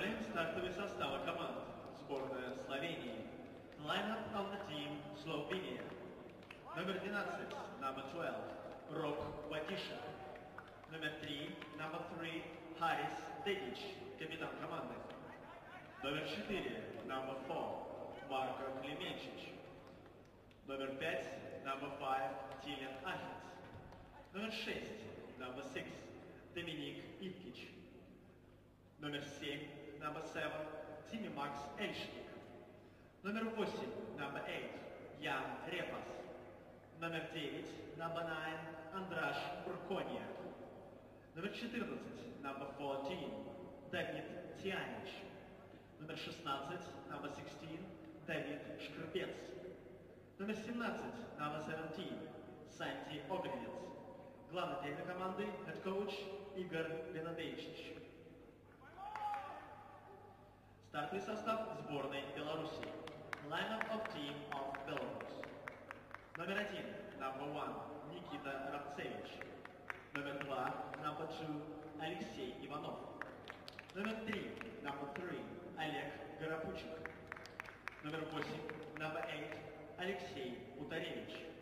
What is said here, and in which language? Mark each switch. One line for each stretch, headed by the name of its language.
Russian: стартовый состав команд сборной Словении.
English: Lineup of the team Slovenia.
Russian: Номер 12,
English: number 12, Rob Batisha.
Russian: Номер 3,
English: number 3,
Russian: Harris Dedic, капитан команды. Номер 4,
English: number 4,
Russian: Marko Klimenčić. Номер 5,
English: number 5,
Russian: Tilian Ahit. Номер 6,
English: number 6,
Russian: Dominik Ipkic. Номер 7,
English: number 7,
Russian: Timi Max Elšnik. Номер 8,
English: number 8,
Russian: Jan Repas. Номер 9,
English: number 9,
Russian: Andras Burkoniak. Номер 14,
English: number 14,
Russian: Давид Тианич. Номер 16,
English: number 16,
Russian: Давид Шкрипец. Номер 17,
English: number 17,
Russian: Санти Огринец. Главный тренер команды,
English: head coach,
Russian: Игорь Бенадейчич. Стартовый состав сборной Беларуси.
English: Lineup of team of Belarus.
Russian: Номер 1,
English: number 1,
Russian: Никита Рабцевич. Номер 2,
English: number 2,
Russian: Алексей Иванов. Номер 3,
English: number 3,
Russian: Олег Горопучик. Номер 8,
English: number 8,
Russian: Алексей Утаревич.